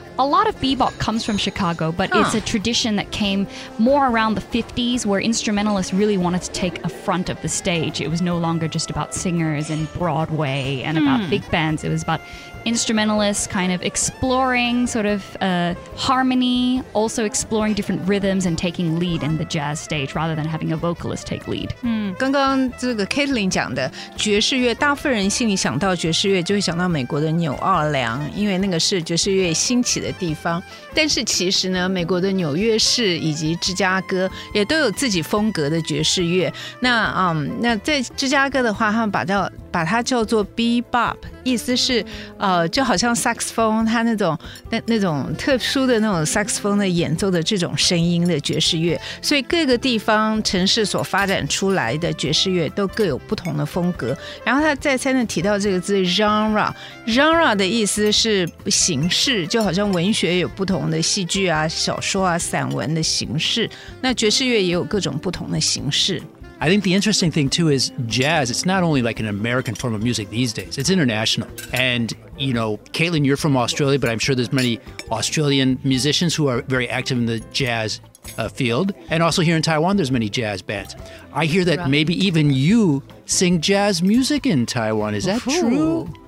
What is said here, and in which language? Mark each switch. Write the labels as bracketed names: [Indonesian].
[English] A lot of bebop comes from Chicago, but it's a tradition that came more around the 50s where instrumentalists really wanted to take a front of the stage. It was no longer just about singers and Broadway and about big bands. It was about instrumentalists kind of exploring sort of harmony, also exploring different rhythms and taking lead in the jazz stage rather than having a vocalist take lead. [Chinese] 刚刚这个 Caitlin 讲的爵士乐，大部分人心里想到爵士乐就会想到美国的纽奥良，因为那个是爵士乐兴起的地方。但是其实呢，美国的纽约市以及芝加哥也都有自己风格的爵士乐。那在芝加哥的话，他们把它叫做 bebop， 意思是就好像 saxophone 它那种特殊的那种 saxophone 的演奏的这种声音的爵士乐，所以各个地方城市所发展出来的爵士乐都各有不同的风格。然后他再三的提到这个字 genre 的意思是形式，就好像文学有不同的戏剧啊、小说啊、散文的形式，那爵士乐也有各种不同的形式。 [English] I think the interesting thing too is jazz, it's not only like an American form of music these days, it's international. And, you know, Caitlin, you're from Australia, but I'm sure there's many Australian musicians who are very active in the jazz field. And also here in Taiwan, there's many jazz bands. I hear that maybe even you sing jazz music in Taiwan. Is that true?